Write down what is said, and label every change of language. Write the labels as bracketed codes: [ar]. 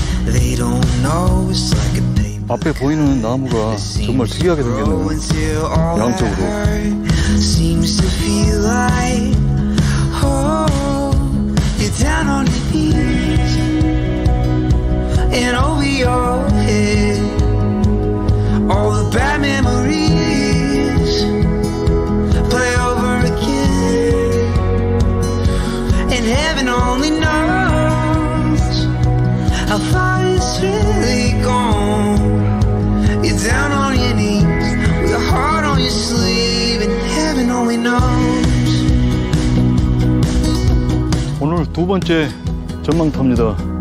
[en] They don't know it's like a paper. [ko] 앞에 보이는 나무가 정말 특이하게 생겼네요. 양쪽으로. [en] Seems to feel like oh you're down on your knees and over your head all the bad memories play over again and heaven only knows how far it's really gone. You're down on your knees with your heart on your sleeve and heaven only knows. [ko] 오늘 두 번째 전망타입니다.